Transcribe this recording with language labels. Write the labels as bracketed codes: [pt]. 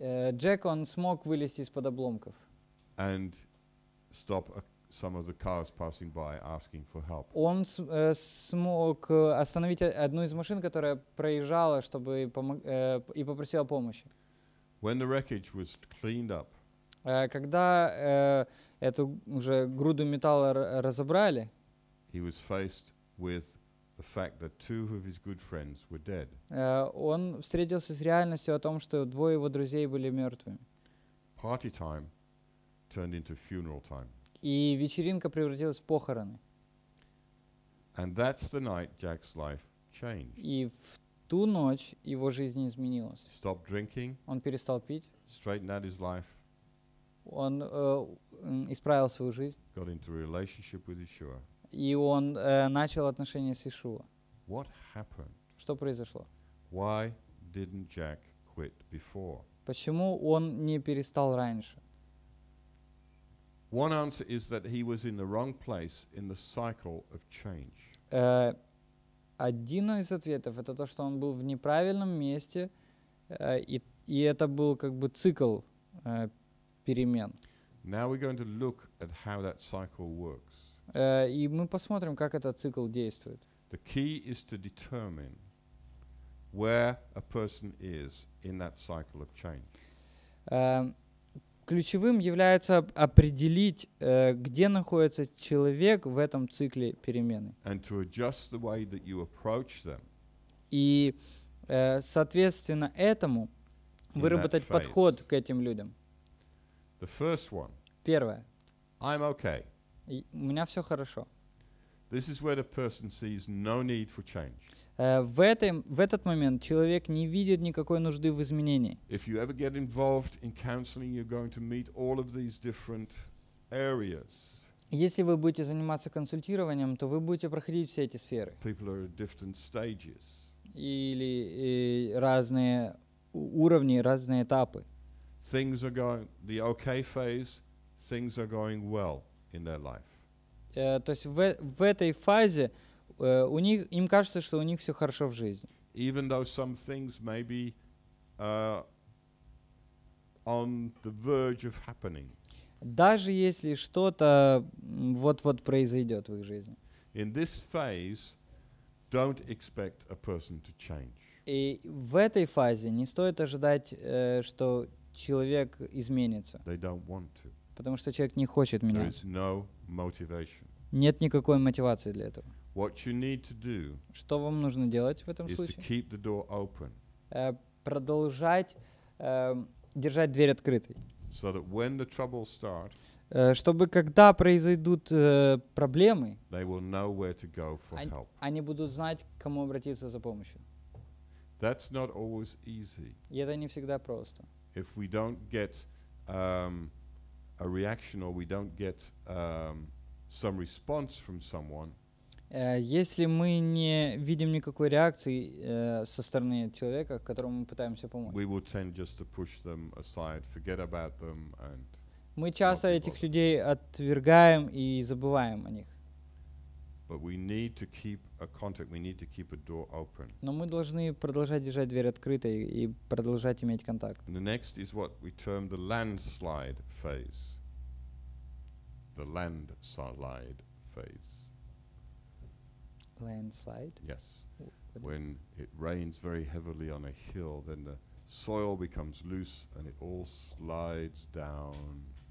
[ru] Джек он смог вылезти из-под обломков. [en] And stop a some of the cars passing by asking for help. [ru] Он смог остановить одну из машин, которая проезжала, чтобы и попросила помощи. [en] When the wreckage was cleaned up. [ru] Когда эту уже груду металла разобрали. [en] He was faced with the fact that two of his good friends were dead. [ru] Он встретился с реальностью о том, что двое его друзей были мертвыми. [en] Party time turned into funeral time. [ru] И вечеринка превратилась в похороны. [en] And that's the night Jack's life changed. [ru] И в ту ночь его жизнь изменилась. [en] Stopped drinking. [ru] Он перестал пить. [en] Straightened out his life. [ru] Он исправил свою жизнь. [en] Got into a relationship with Yeshua. [ru] И он начал отношения с Иешуа. [en] What happened? [ru] Что произошло? [en] Why didn't Jack quit before? [ru] Почему он не перестал раньше? [en] One answer is that he was in the wrong place in the cycle of change. [ru] Один из ответов это то, что он был в неправильном месте, и это был как бы цикл перемен. [en] Now we're going to look at how that cycle works. [ru] И мы посмотрим, как этот цикл действует. [en] The key is to determine where a person is in that cycle of change. [ru] Ключевым является определить, где находится человек в этом цикле перемены. [en] And to adjust the way that you approach them. [ru] И, соответственно, этому выработать подход к этим людям. [en] The first one. [ru] Первое. [en] I'm okay. [ru] У меня все хорошо. [en] This is where the person sees no need for change. [ru] В этот момент человек не видит никакой нужды в изменении. [en] If you ever get involved in counseling, you're going to meet all of these different areas. [ru] Если вы будете заниматься консультированием, то вы будете проходить все эти сферы. [en] People are at different stages. [ru] Или разные уровни, разные этапы. [en] Things are going the okay phase. Things are going well in their life. [ru] То есть в этой фазе у них, им кажется, что у них все хорошо в жизни. [en] Even though some things may be on the verge of happening. [ru] Даже если что-то вот-вот произойдет в их жизни. [en] In this phase, don't expect a person to change. [ru] И в этой фазе не стоит ожидать, что человек изменится. [en] They don't want to. [ru] Потому что человек не хочет меняться. [en] There is no motivation. [ru] Нет никакой мотивации для этого. [en] What you need to do, [ru] что вам нужно делать в этом случае? [en] To keep the door open. [ru] Продолжать держать дверь открытой. [en] So that when the troubles start, [ru] чтобы когда произойдут проблемы, [en] they will know where to go for help. [ru] Они будут знать, к кому обратиться за помощью. [en] That's not always easy. [ru] И это не всегда просто. [en] If we don't get a reaction or we don't get some response from someone, [ru] если мы не видим никакой реакции со стороны человека, которому мы пытаемся помочь, [en] we will tend just to push them aside, forget about them, and [ru] мы часто этих людей отвергаем и забываем о них. [en] But we need to keep a contact, we need to keep a door open. [ru] Но мы должны продолжать держать дверь открытой и продолжать иметь контакт. [en] The next is what we term the landslide phase. The landslide phase. Landslide? Yes. When it rains very heavily on a hill, then the soil becomes loose and it all slides down.